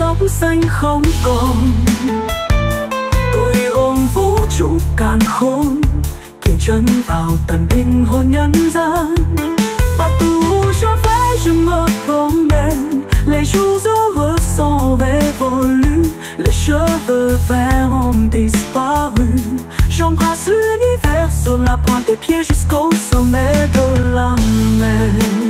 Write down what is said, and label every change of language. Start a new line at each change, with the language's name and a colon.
Vietnamese: xanh không còn. Tôi ôm vũ trụ càn khôn kiềm chân vào tận đỉnh hồn nhân gian.
French: Partout je vais je me promène, les jours heureux sont révolus, les cheveux verts ont disparu. J'embrasse l'univers sur la pointe des pieds jusqu'au sommet de la mer.